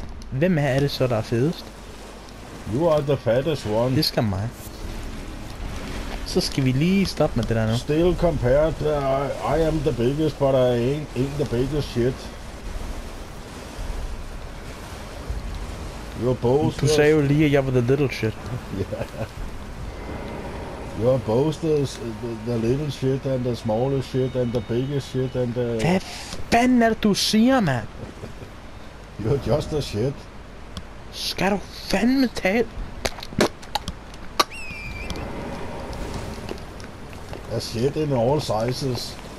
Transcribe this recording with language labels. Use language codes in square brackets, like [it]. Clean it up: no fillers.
[da] Hvem er det så, der er fedest? [en] You are the fattest one. [da] Det skal mig. Så skal vi lige stoppe med det der nu. [en] Still compared, I am the biggest, but I ain't the biggest shit. You're both... [da] Du sagde jo lige, at jeg var [en] the little shit. Yeah. You're both the little shit, and the smallest shit, and the biggest shit, and the... [da] Hvad fanden er det, du siger, mand? [en] You're just a shit. [da] Skal du fandme tale? Jeg siger, det er [en] all sizes.